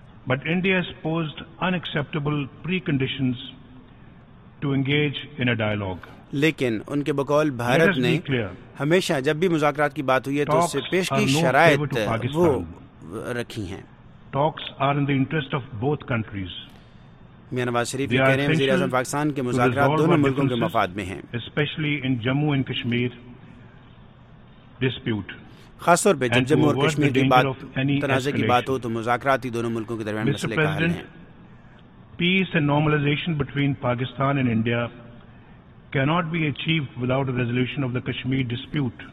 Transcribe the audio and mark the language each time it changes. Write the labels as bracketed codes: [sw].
[en] But India has posed unacceptable preconditions to engage in a dialogue. [ur] لیکن ان کے بقول بھارت نے ہمیشہ جب بھی مذاکرات کی بات ہوئی ہے تو اس سے پیش کی شرائط وہ رکھی ہیں. [en] Talks are in the interest of both countries. [ur] Mian Nawaz Sharif یہ کہہ رہے ہیں وزیر اعظم پاکستان کے مذاکرات دونوں ملکوں کے مفاد میں ہیں. [en] Especially in Jammu and Kashmir dispute. [ur] خاص طور پہ جب جموں اور کشمیر کی بات تنازع کی بات ہو تو مذاکرات ہی دونوں ملکوں کے درمیان مسئلے کا حل ہے. [en] Peace and normalisation between Pakistan and India can't be achieved without a resolution of the Kashmir dispute.